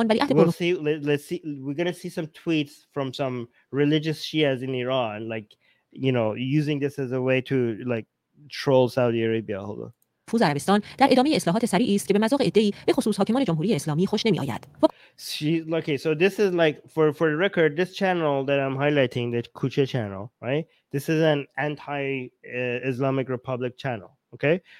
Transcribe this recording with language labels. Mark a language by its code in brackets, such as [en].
[en] Let's see. We're going to see some tweets from some religious Shias in Iran, like, you know, using this as a way to, like, troll Saudi Arabia. Hold on. [fa] فوز عربستان در ادامه اصلاحات سریعی است که به مذاق ادعی به خصوص حاکمان جمهوری اسلامی خوش نمی آید. [en] Okay, so this is like for the record, this channel that I'm highlighting, the Kuche channel, right? This is an anti-Islamic Republic channel, okay?